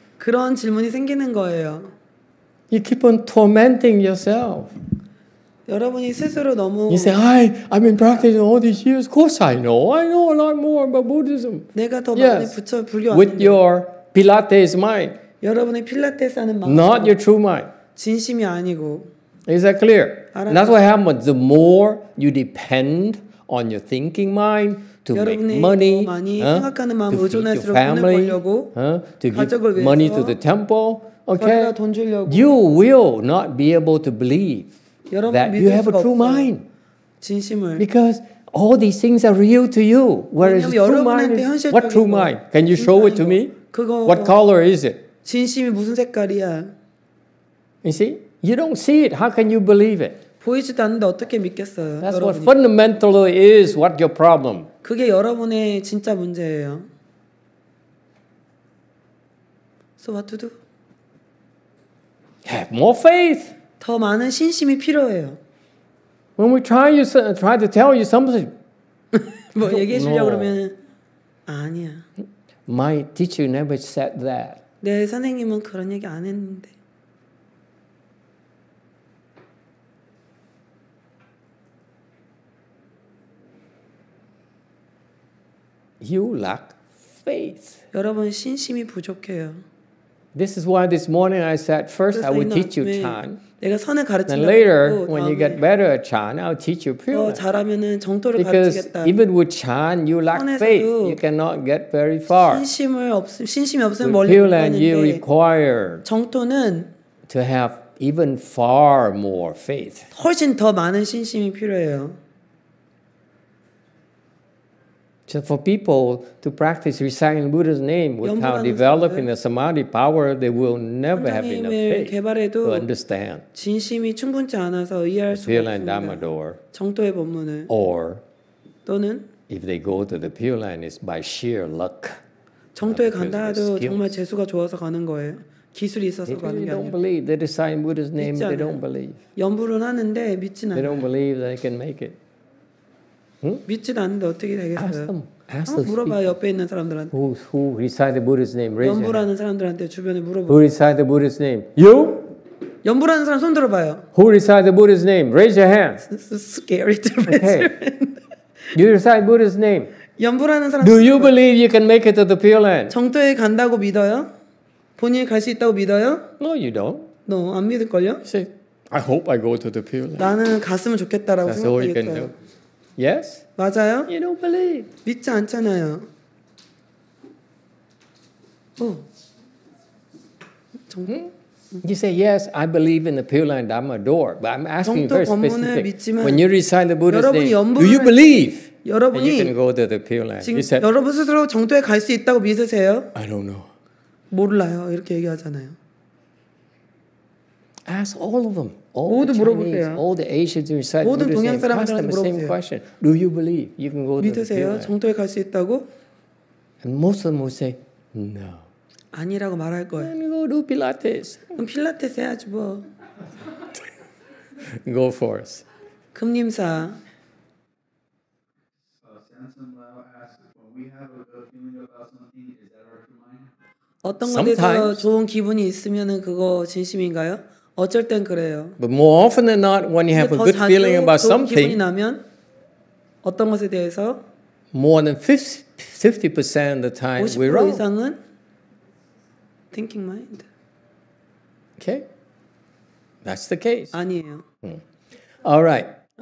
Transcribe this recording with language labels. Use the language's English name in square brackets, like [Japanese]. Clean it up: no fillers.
[Korean] 그런 질문이 생기는 거예요. [English] You keep on tormenting yourself. [Korean] 여러분이 스스로 너무 [English] You say, I've been practicing all these years. Of course I know. I know a lot more about Buddhism. [Korean] 내가 더 많이 부처 불교 [English] With your Pilates mind. [Korean] 여러분의 필라테스 하는 마음. [English] Not your true mind. [Korean] 진심이 아니고. [English] Is that clear? [Korean] 알아요. [English] That's what happens. The more you depend on your thinking mind to make money, [Korean] 많이 생각하는 마음 의존할수록 돈을 벌려고 [English] to give money to the temple. Okay. [Korean] 벌려 돈 주려고. [English] You will not be able to believe that you have a true mind. [Korean] 진심을. [English] Because all these things are real to you. Whereas true mind is what true mind? Can you show it to me? What color is it? [Korean] 진심이 무슨 색깔이야? [English] You see? You don't see it. How can you believe it? [Korean] 보이지도 않는데 어떻게 믿겠어요? [English] That's [Korean] 여러분이. [English] What fundamentally is what your problem. [Korean] 그게 여러분의 진짜 문제예요. [English] So what to do? Have more faith. [Korean] 더 많은 신심이 필요해요. [English] When we try to tell you something. [Korean] 뭐 얘기해 주려고 그러면 아니야. [English] My teacher never said that. [Korean] 네, 선생님은 그런 얘기 안 했는데. [English] You lack faith. [Korean] 여러분 신심이 부족해요. [English] This is why this morning I said first I will teach you Chan. [Korean] 내가 선을 가르친다. [English] And later when you get better at Chan, I'll teach you Pure. [Korean] 더 잘하면은 정토를 [English] Because [Korean] 가르치겠다. [English] Because even with Chan, you lack faith. You cannot get very far. [Korean] 신심이 없으면 멀리 못 가는데. [English] Pure land, you require [Korean] 정토는 [English] to have even far more faith. [Korean] 훨씬 더 많은 신심이 필요해요. [English] So for people to practice reciting Buddha's name without developing the samadhi power, they will never have enough faith to understand. [Korean] 진심이 충분치 않아서 이해할 수 없습니다. [English] Pure Land Dhamma Door. [Korean] 또는 [English] if they go to the Pure Land, it's by sheer luck. [Korean] 정토에 간다 해도 정말 재수가 좋아서 가는 거예요. 기술이 있어서 가는 게 아니에요. [English] They don't believe they recite Buddha's name. They don't believe. [Korean] 염불은 하는데 믿지는 않아요. [English] They don't believe they can make it. [Korean] 믿지도 않는데 어떻게 되겠어요? [English] Ask them. ask the people, [Korean] 옆에 있는 사람들한테. [English] Who recite the Buddha's name? Raise your hand. [Korean] 사람들한테 주변에 물어봐. [English] Who recite the Buddha's name? You? [Korean] 연불하는 사람 손 들어봐요. [English] Who recite the Buddha's name? Raise your hand. Scary to raise your hand. You recite Buddha's name. [Korean] 연불하는 사람. [English] Do you believe you can make it to the Pure Land? [Korean] 정토에 간다고 믿어요? 본인이 갈 수 있다고 믿어요? [English] No, you don't. No, [Korean] 안 믿을걸요? [English] Say, I hope I go to the Pure Land. [Korean] 나는 갔으면 좋겠다라고 생각하겠어요. [English] Yes? [Korean] 맞아요? [English] You don't believe. [Korean] 믿지 않잖아요. 오. 정토? [English] You say, yes, I believe in the Pure Land Dharma door, but I'm asking you very specific. When you recite the Buddha's name, do you believe that you can go to the Pure Land? You said, [Korean] 여러분 스스로 정토에 갈 수 있다고 믿으세요? [English] I don't know. [Korean] 몰라요, 이렇게 얘기하잖아요. [English] Ask all of them, all the Chinese, all the Asians who recite the Buddha's name, ask them the same question. Do you believe you can go to the Pure Land? [Korean] 정토에 갈 수 있다고? [English] And most of them will say, no. [Korean] 아니라고 말할 거예요. [English] Then go do Pilates. [Korean] 그럼 필라테스 해야지 뭐. [English] Go forth. [Korean] 금님사. [English] Sometimes. [Korean] 좋은 기분이 있으면은 그거 진심인가요? 어쩔 땐 그래요. [English] But more often than not, when you have a good feeling about something. [Korean] 기분이 나면 어떤 것에 대해서? [English] More than 50% of the time, we're wrong. [Korean] 50% 이상은? [English] Thinking mind. Okay. That's the case. [Korean] 아니에요. Mm. [English] All right.